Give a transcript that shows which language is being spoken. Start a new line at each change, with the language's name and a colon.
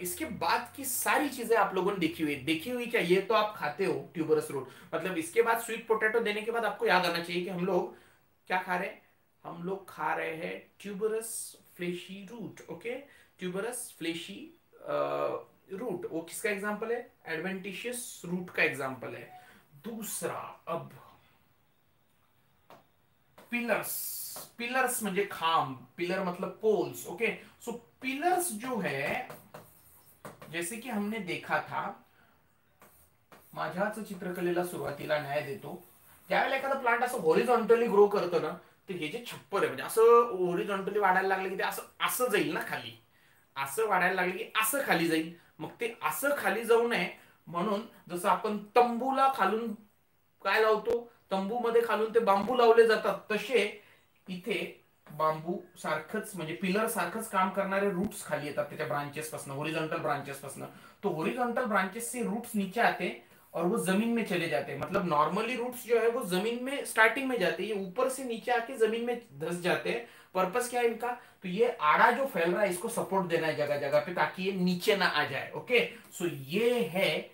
Hindi: इसके बाद की सारी चीजें आप लोगों ने देखी हुई, देखी हुई क्या, ये तो आप खाते हो ट्यूबरस रूट, मतलब इसके बाद स्वीट पोटैटो देने के बाद आपको याद आना चाहिए कि हम लोग क्या खा रहे हैं, हम लोग खा रहे हैं tuberous fleshy root. Okay, tuberous fleshy root वो किसका एग्जाम्पल है, एडवेंटिशियस रूट का एग्जाम्पल है. दूसरा अब पिलर्स, पिलर्स मुझे खाम, पिलर मतलब पोल्स. ओके, सो पिलर्स जो है, जैसे कि हमने देखा था
Marathi: माझ्या चित्रकलेला सुरुवातीला न्याय देतो, ज्यावेळेला एखादा प्लांट असं हॉरिझॉन्टली ग्रो करतो ना, तर हे जे छप्पर आहे म्हणजे असं हॉरिझॉन्टली वाढायला लागलं की ते असं असं जाईल ना खाली, असं वाढायला लागलं की असं खाली जाईल, मग ते असं खाली जाऊ नये म्हणून जसं आपण तंबूला खालून काय लावतो, तंबू मध्ये खालून ते बांबू लावले जातात, तसे इथे बांबू सारखंच म्हणजे पिलर सारखंच काम करणारे रूट्स खाली येतात त्याच्या ब्रांचेस पासून, हॉरिझॉन्टल ब्रांचेस पासून.
Hindi: तो हॉरिझॉन्टल ब्रांचेस से रूट्स नीचे आते और वो जमीन में चले जाते, मतलब नॉर्मली रूट्स जो है वो जमीन में स्टार्टिंग में जाते, ये ऊपर से नीचे आके जमीन में धस जाते हैं. पर्पस क्या है इनका, तो ये आड़ा जो फैल रहा है इसको सपोर्ट देना है जगह जगह पे, ताकि ये नीचे ना आ जाए. ओके, सो ये है